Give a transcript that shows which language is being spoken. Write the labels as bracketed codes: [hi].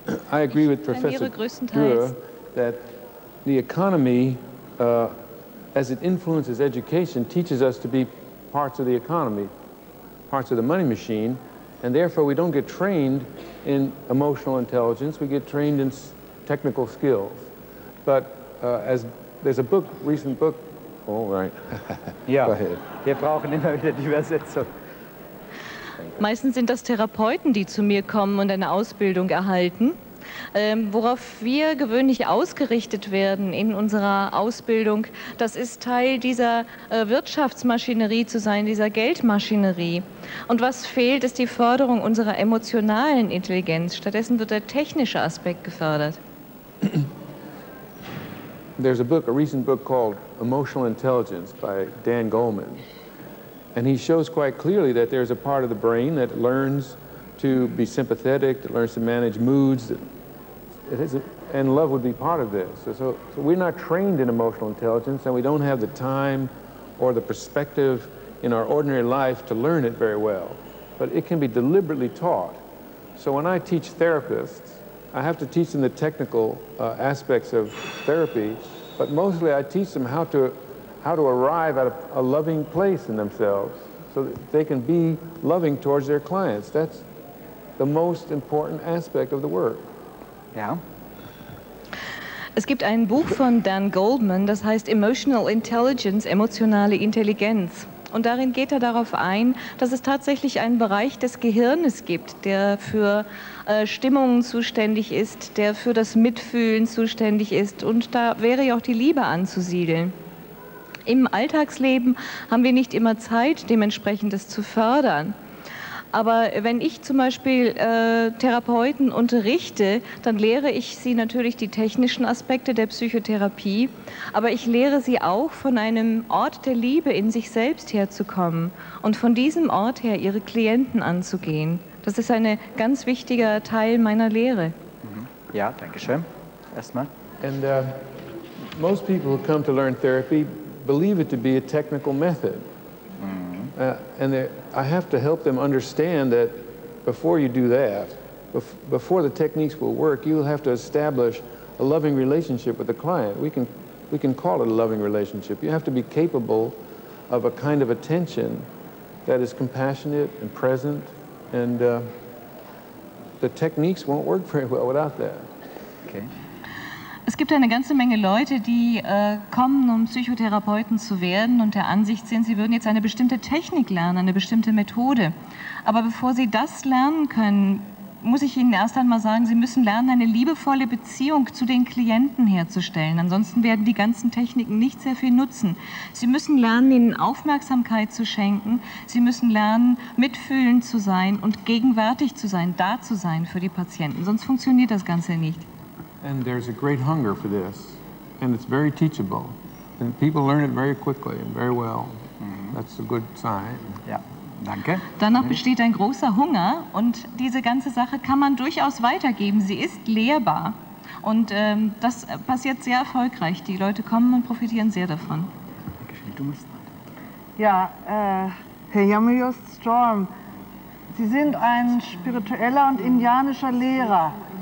[en] I agree with Professor Dürer that the economy, as it influences education, teaches us to be parts of the economy, parts of the money machine, and therefore we don't get trained in emotional intelligence, we get trained in technical skills. But as there's a book, recent book, all right. Yeah. Go ahead. [de] Wir brauchen immer wieder die Übersetzung. Meistens sind das Therapeuten, die zu mir kommen und eine Ausbildung erhalten. Worauf wir gewöhnlich ausgerichtet werden in unserer Ausbildung, das ist Teil dieser Wirtschaftsmaschinerie zu sein, dieser Geldmaschinerie. Und was fehlt, ist die Förderung unserer emotionalen Intelligenz. Stattdessen wird der technische Aspekt gefördert. [en] There's a book, a recent book called Emotional Intelligence by Dan Goleman. And he shows quite clearly that there's a part of the brain that learns to be sympathetic, that learns to manage moods, and love would be part of this. So we're not trained in emotional intelligence, and we don't have the time or the perspective in our ordinary life to learn it very well. But it can be deliberately taught. So when I teach therapists, I have to teach them the technical aspects of therapy, but mostly I teach them how to arrive at a loving place in themselves so that they can be loving towards their clients. That's the most important aspect of the work. Yeah. [de] Es gibt ein Buch von Dan Goldman, das heißt Emotional Intelligence, emotionale Intelligenz. Und darin geht er darauf ein, dass es tatsächlich einen Bereich des Gehirnes gibt, der für Stimmungen zuständig ist, der für das Mitfühlen zuständig ist. Und da wäre ja auch die Liebe anzusiedeln. Im Alltagsleben haben wir nicht immer Zeit, dementsprechend das zu fördern. Aber wenn ich zum Beispiel Therapeuten unterrichte, dann lehre ich sie natürlich die technischen Aspekte der Psychotherapie, aber ich lehre sie auch, von einem Ort der Liebe in sich selbst herzukommen und von diesem Ort her ihre Klienten anzugehen. Das ist ein ganz wichtiger Teil meiner Lehre. Ja, danke schön. Erstmal. [en] And most people who come to learn therapy believe it to be a technical method. And I have to help them understand that before you do that, before the techniques will work, you'll have to establish a loving relationship with the client. We can call it a loving relationship. You have to be capable of a kind of attention that is compassionate and present, and the techniques won't work very well without that. Okay. [de] Es gibt eine ganze Menge Leute, die kommen, um Psychotherapeuten zu werden und der Ansicht sind, sie würden jetzt eine bestimmte Technik lernen, eine bestimmte Methode. Aber bevor sie das lernen können, muss ich ihnen erst einmal sagen, sie müssen lernen, eine liebevolle Beziehung zu den Klienten herzustellen. Ansonsten werden die ganzen Techniken nicht sehr viel nutzen. Sie müssen lernen, ihnen Aufmerksamkeit zu schenken. Sie müssen lernen, mitfühlend zu sein und gegenwärtig zu sein, da zu sein für die Patienten. Sonst funktioniert das Ganze nicht. [en] And there's a great hunger for this, and it's very teachable, and people learn it very quickly and very well. That's a good sign. [de] Ja, danke. Danach besteht ein großer Hunger, und diese ganze Sache kann man durchaus weitergeben. Sie ist lehrbar, und das passiert sehr erfolgreich. Die Leute kommen und profitieren sehr davon. Ja, Herr Jamilos Storm, Sie sind ein spiritueller und indianischer Lehrer.